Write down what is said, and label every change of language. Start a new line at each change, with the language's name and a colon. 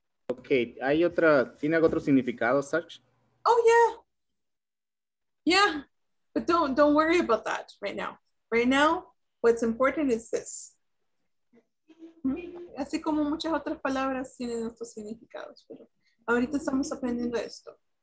Spanish: Okay, hay otra, ¿tiene algún otro significado, such?
English: Oh, yeah. Yeah, but don't worry about that right now. Right now, what's important is this.
Spanish: Así como muchas otras palabras tienen otros significados, pero ahorita estamos aprendiendo esto.